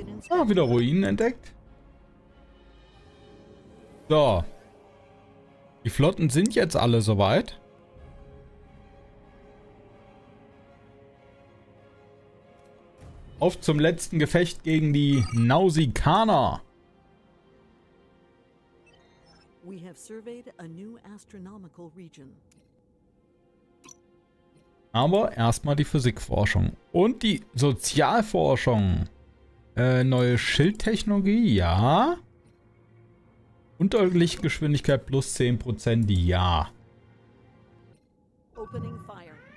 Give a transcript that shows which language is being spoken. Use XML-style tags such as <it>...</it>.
<de>Ah, wieder Ruinen entdeckt. So. Die Flotten sind jetzt alle soweit. Auf zum letzten Gefecht gegen die Nausikaner.</de> <en>We have surveyed a new astronomical region.</en> <de>Aber erstmal die Physikforschung und die Sozialforschung. Neue Schildtechnologie, ja. Unterlichtgeschwindigkeit plus 10%, ja.</de> <en>Opening fire.</en>